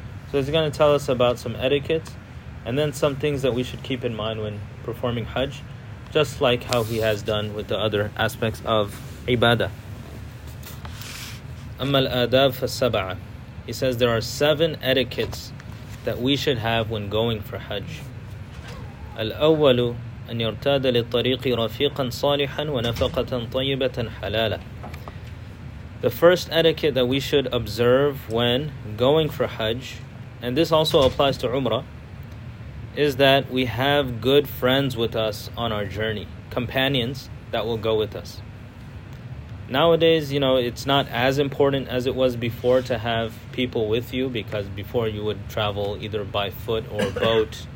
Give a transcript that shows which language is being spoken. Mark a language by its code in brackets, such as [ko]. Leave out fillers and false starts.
[en] So he's going to tell us about some etiquettes and then some things that we should keep in mind when performing Hajj, just like how he has done with the other aspects of ibadah. [ar] أَمَّا الْآدَابُ فَالسَّبَعَ. [en] He says there are seven etiquettes that we should have when going for Hajj. [ar] الْأَوَّلُ أن يرتاد للطريق رفيقا صالحا ونفقة طيبة حلالا. [en] The first etiquette that we should observe when going for Hajj, and this also applies to Umrah, is that we have good friends with us on our journey, companions that will go with us. Nowadays, you know, it's not as important as it was before to have people with you, because before you would travel either by foot or boat.